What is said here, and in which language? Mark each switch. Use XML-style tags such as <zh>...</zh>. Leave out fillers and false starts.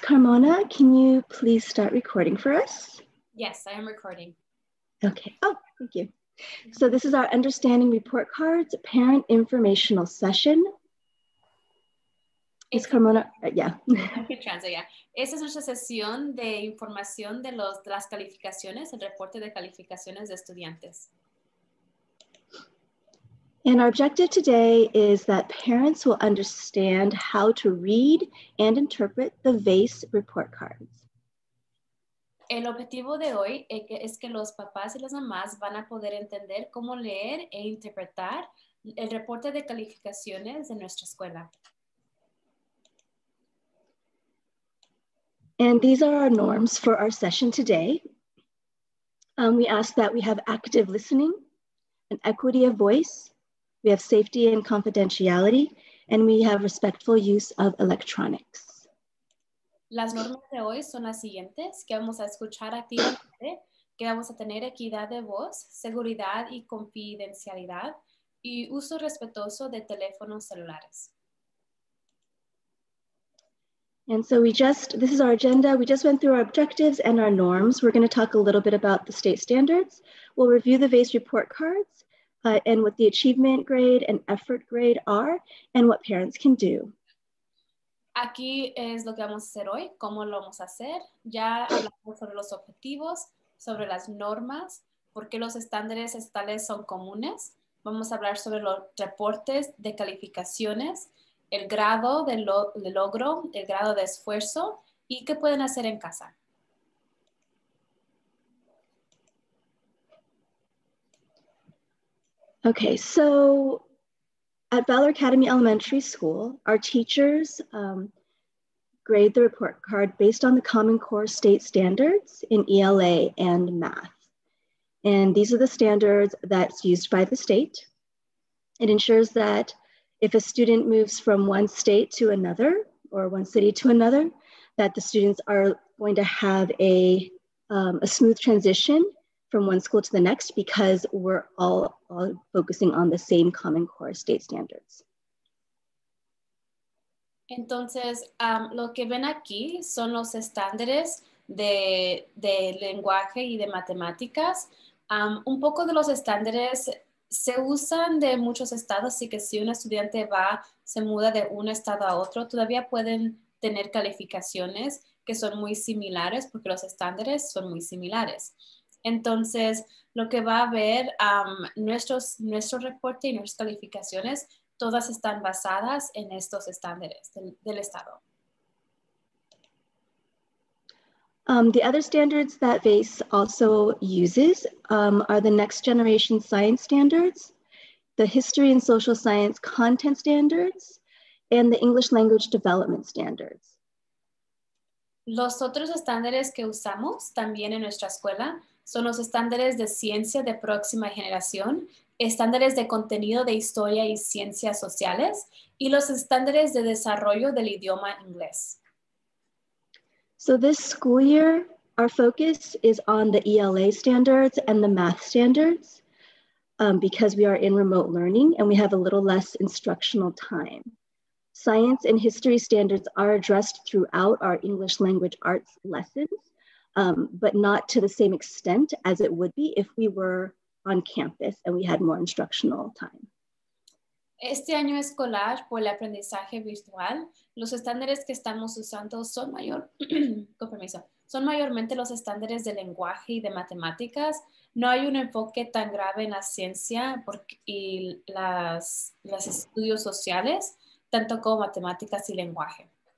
<en>Carmona, can you please start recording for us? Yes, I am recording. Okay, oh, thank you. So this is our understanding report cards, parent informational session. Ms. Carmona, yeah. Okay, translate, yeah.</en> <es>Esta es nuestra sesión de información de las calificaciones, el reporte de calificaciones de estudiantes.</es> <en>And our objective today is that parents will understand how to read and interpret the VAICE report cards.</en> <es>El objetivo de hoy es que los papás y las mamás van a poder entender cómo leer e interpretar el reporte de calificaciones de nuestra escuela.</es> <en>And these are our norms for our session today. We ask that we have active listening, an equity of voice, we have safety and confidentiality, and we have respectful use of electronics.</en> <es>Las normas de hoy son las siguientes, que vamos a escuchar activamente, que vamos a tener equidad de voz, seguridad y confidencialidad, y uso respetuoso de teléfonos celulares.</es> <en>And so this is our agenda. We just went through our objectives and our norms. We're going to talk a little bit about the state standards. We'll review the VAICE report cards, and what the achievement grade and effort grade are, and what parents can do.</en> <es>Aquí es lo que vamos a hacer hoy, cómo lo vamos a hacer. Ya hablamos sobre los objetivos, sobre las normas, por qué los estándares estatales son comunes. Vamos a hablar sobre los reportes de calificaciones, el grado de logro, el grado de esfuerzo, y qué pueden hacer en casa.</es> <en>Okay, so at Valor Academy Elementary School, our teachers grade the report card based on the Common Core state standards in ELA and math. And these are the standards that's used by the state. It ensures that if a student moves from one state to another or one city to another, that the students are going to have a smooth transition from one school to the next, because we're all focusing on the same Common Core state standards.</en> <es>Entonces, lo que ven aquí son los estándares de lenguaje y de matemáticas. Un poco de los estándares se usan de muchos estados, así que si un estudiante se muda de un estado a otro, todavía pueden tener calificaciones que son muy similares, porque los estándares son muy similares. Entonces, lo que va a ver nuestro reporte y nuestras calificaciones, todas están basadas en estos estándares del estado.</es> <en>The other standards that VAICE also uses are the Next Generation Science Standards, the History and Social Science Content Standards, and the English Language Development Standards.</en> <es>Los otros estándares que usamos también en nuestra escuela son los estándares de ciencia de próxima generación, estándares de contenido de historia y ciencias sociales, y los estándares de desarrollo del idioma inglés.</es> <en>So this school year, our focus is on the ELA standards and the math standards, because we are in remote learning and we have a little less instructional time. Science and history standards are addressed throughout our English language arts lessons, but not to the same extent as it would be if we were on campus and we had more instructional time.</en> <es>Este año escolar, por el aprendizaje virtual, los estándares que estamos usando son mayormente los estándares de lenguaje y de matemáticas. No hay un enfoque tan grave en la ciencia y las estudios sociales, tanto como matemáticas y lenguaje.</es>